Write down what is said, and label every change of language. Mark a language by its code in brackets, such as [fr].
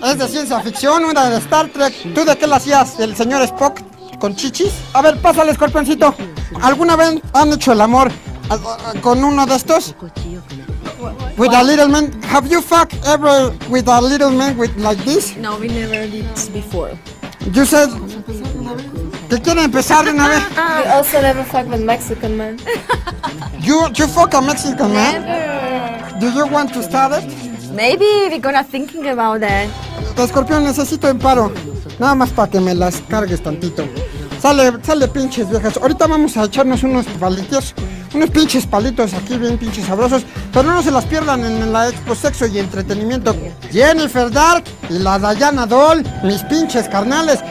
[es] Es de ciencia ficción, una de Star Trek. ¿Tú de qué la hacías? ¿El señor Spock con chichis? A ver, pásale, escorpioncito. ¿Alguna vez han hecho el amor con uno de estos? [en] With a little man? Have you fucked ever with a little man with like this? No, we never did this before. You said... [es] ¿Te quiere empezar de una vez? [en] We also never fuck with Mexican man. You fuck a Mexican man? Never. Do you want to start it? Maybe, we're gonna thinking about that. [es] Escorpión, necesito un paro. Nada más para que me las cargues tantito. Sale pinches viejas. Ahorita vamos a echarnos unos pinches palitos aquí, bien pinches sabrosos. Pero no se las pierdan en la Expo Sexo y Entretenimiento. Jennifer Dark y la Diana Doll, mis pinches carnales.